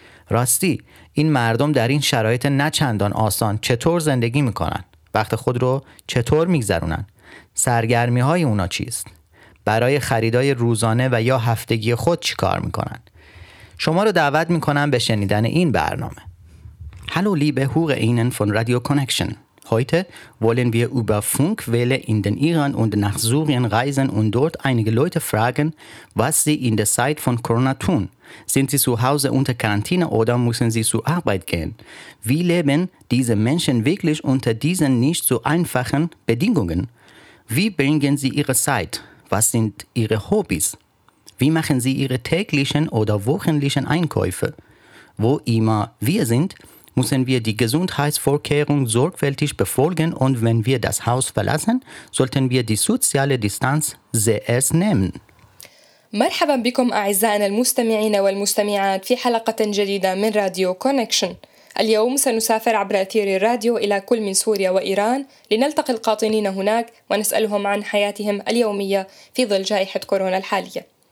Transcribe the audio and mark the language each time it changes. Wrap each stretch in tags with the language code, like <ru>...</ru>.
<fa>راستی این مردم در این شرایط نه چندان آسان چطور زندگی میکنن؟ وقت خود رو چطور میگذرونن؟ سرگرمی‌های اونا چیست؟ برای خریدای روزانه و یا هفتگی خود چی کار میکنن؟ شما رو دعوت میکنم به شنیدن این برنامه.</fa> <de>Hallo liebe HörerInnen von Radio Connection. Heute wollen wir über Funkwelle in den Iran und nach Syrien reisen und dort einige Leute fragen, was sie in der Zeit von Corona tun. Sind sie zu Hause unter Quarantäne oder müssen sie zur Arbeit gehen? Wie leben diese Menschen wirklich unter diesen nicht so einfachen Bedingungen? Wie bringen sie ihre Zeit? Was sind ihre Hobbys? Wie machen sie ihre täglichen oder wöchentlichen Einkäufe? Wo immer wir sind, müssen wir die Gesundheitsvorkehrung sorgfältig befolgen und wenn wir das Haus verlassen, sollten wir die soziale Distanz sehr ernst nehmen.</de> <ar>مرحبا بكم أعزائنا المستمعين والمستمعات في حلقة جديدة من راديو كونكشن. اليوم سنسافر عبر أثير الراديو إلى كل من سوريا وإيران لنلتقي القاطنين هناك ونسألهم عن حياتهم اليومية في ظل جائحة كورونا الحالية.</ar>